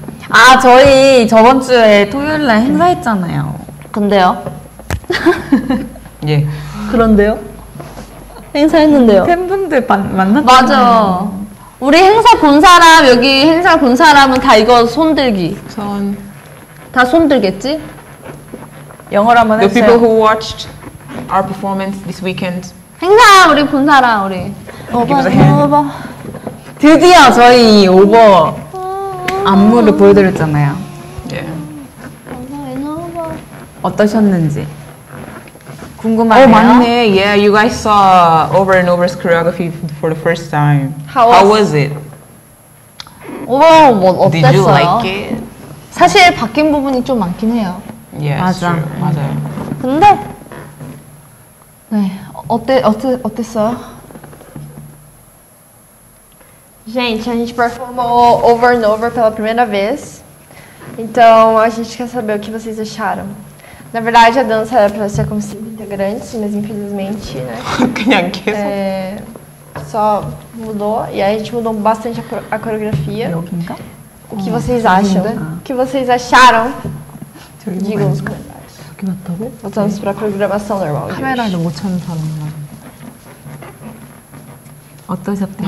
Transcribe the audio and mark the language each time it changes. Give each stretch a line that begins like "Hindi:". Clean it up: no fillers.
Korean: 아, 저희 저번 주에 토요일 날 행사했잖아요. 근데요? 예. 그런데요? 행사했는데요. 팬분들 만났잖아요. 맞아. 우리 행사 본 사람, 여기 행사 본 사람은 다 이거 손들기. 전. 다 손들겠지? 영어로 한번
English: the
Korean: 했어요.
English: The people who watched our performance this weekend.
Korean: 행사! 우리 본 사람, 우리. 오버. 드디어 저희 오버 안무를 보여드렸잖아요. 예. 오버. 어떠셨는지. 궁금하네요. 오, 맞네.
English: Yeah, you guys saw Over and Over's choreography for the first time. How was it?
Korean: 오, 뭐 어땠어요?
English: Did you like it?
Korean: 사실 바뀐 부분이 좀 많긴 해요.
English: Yes,
Korean: 맞아. 맞아요. 근데 네. 어땠어요?
Portuguese: Gente, a gente performou Over and Over pela primeira vez. Então, a gente quer saber o que vocês acharam. Na verdade, a dança era para ser como cinco integrantes, mas infelizmente, né?
Korean: 그냥 계속.
Portuguese: É, só mudou, e aí a gente mudou bastante a coreografia.
Korean: 여기인가?
Portuguese: O que vocês acham?
Korean: 여기인가?
Portuguese: O que vocês acharam? Digam os comentários. Voltamos para a programação normal.
Korean: Câmera, 어떠셨대요?